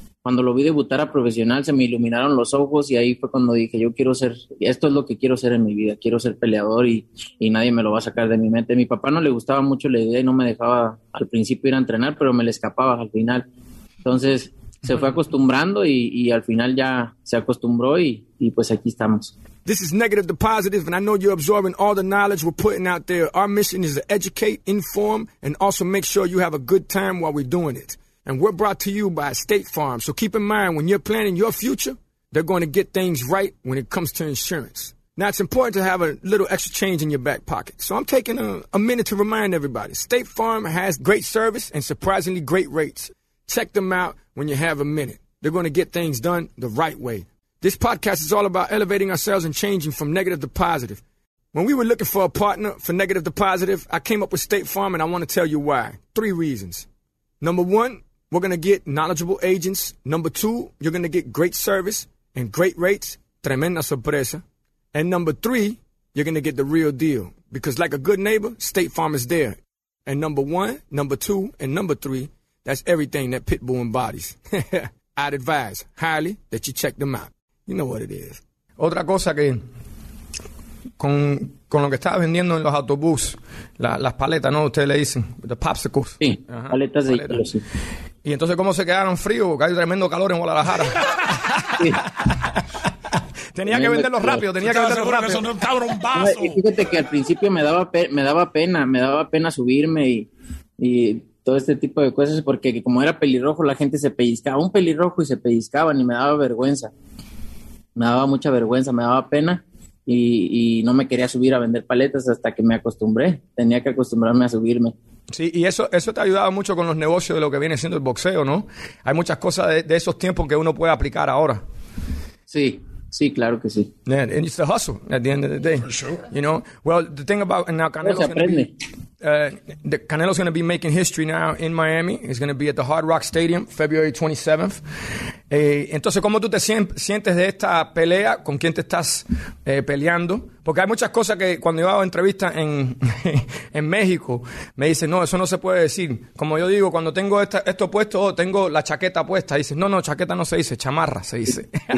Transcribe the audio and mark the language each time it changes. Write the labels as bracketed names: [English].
[Spanish] Cuando lo vi debutar a profesional, se me iluminaron los ojos y ahí fue cuando dije, yo quiero ser, esto es lo que quiero ser en mi vida, quiero ser peleador y nadie me lo va a sacar de mi mente. A mi papá no le gustaba mucho la idea y no me dejaba al principio ir a entrenar, pero me le escapaba al final. Entonces, se fue acostumbrando y al final ya se acostumbró y pues aquí estamos. [English] This is Negative to Positive, and I know you're absorbing all the knowledge we're putting out there. Our mission is to educate, inform, and also make sure you have a good time while we're doing it. And we're brought to you by State Farm. So keep in mind, when you're planning your future, they're going to get things right when it comes to insurance. Now, it's important to have a little extra change in your back pocket. So I'm taking a minute to remind everybody, State Farm has great service and surprisingly great rates. Check them out when you have a minute. They're going to get things done the right way. This podcast is all about elevating ourselves and changing from negative to positive. When we were looking for a partner for Negative to Positive, I came up with State Farm, and I want to tell you why. Three reasons. Number one, we're going to get knowledgeable agents. Number two, you're going to get great service and great rates. [Spanish] Tremenda sorpresa. [English] And number three, you're going to get the real deal. Because like a good neighbor, State Farm is there. And number one, number two, and number three, that's everything that Pitbull embodies. I'd advise highly that you check them out. You know what it is. [Spanish] Otra cosa que con lo que estaba vendiendo en los autobús, las paletas, ¿no? Ustedes le dicen, [English] the popsicles. [Spanish] Sí, uh-huh. Paletas de hielo, sí. Y entonces, ¿cómo se quedaron fríos? Porque hay un tremendo calor en Guadalajara. Sí. Tenía que venderlos rápido, tenía que venderlos rápido. Eso no estaba un vaso. Y fíjate que al principio me daba pena subirme y todo este tipo de cosas, porque como era pelirrojo, la gente se pellizcaba, un pelirrojo y se pellizcaban y me daba vergüenza. Me daba mucha vergüenza, me daba pena y no me quería subir a vender paletas hasta que me acostumbré. Tenía que acostumbrarme a subirme. Sí, y eso te ha ayudado mucho con los negocios de lo que viene siendo el boxeo, ¿no? Hay muchas cosas de esos tiempos que uno puede aplicar ahora. Sí, sí, claro que sí. [English] Yeah, and it's the hustle at the end of the day. For sure. You know, well, the thing about, and now Canelo's going to be... Canelo's going to be making history now in Miami. He's going to be at the Hard Rock Stadium February 27th. [Spanish] Entonces, ¿cómo tú te sientes de esta pelea? ¿Con quién te estás peleando? Porque hay muchas cosas que cuando yo hago entrevistas en México, me dicen, no, eso no se puede decir. Como yo digo, cuando tengo esto puesto, oh, tengo la chaqueta puesta. Dices, no, chaqueta no se dice, chamarra se dice.